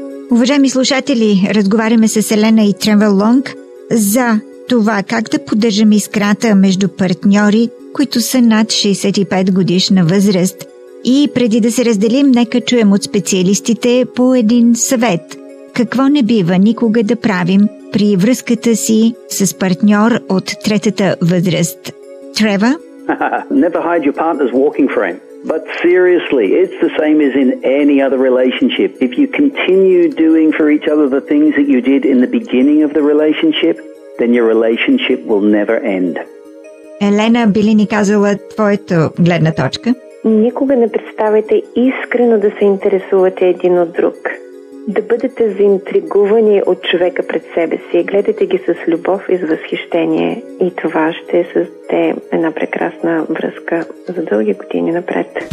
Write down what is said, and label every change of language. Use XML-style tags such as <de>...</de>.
<bg>Уважаеми слушатели, разговаряме с Елена и Тревел Лонг за това как да поддържаме искрата между партньори, които са над 65 годишна възраст. И преди да се разделим, нека чуем от специалистите по един съвет. Какво не бива никога да правим при връзката си с партньор от третата възраст? Трева?</bg> <en>Never hide your partner's walking frame. But seriously, it's the same as in any other relationship. If you continue doing for each other the things that you did in the beginning of the relationship, then your relationship will never end.</en> <bg>Елена, би ли ни казала твоето гледна точка? Никога не представяйте искрено да се интересувате един от друг. Да бъдете заинтригувани от човека пред себе си. Гледайте ги с любов и с възхищение. И това ще създаде една прекрасна връзка за дълги години напред.</bg>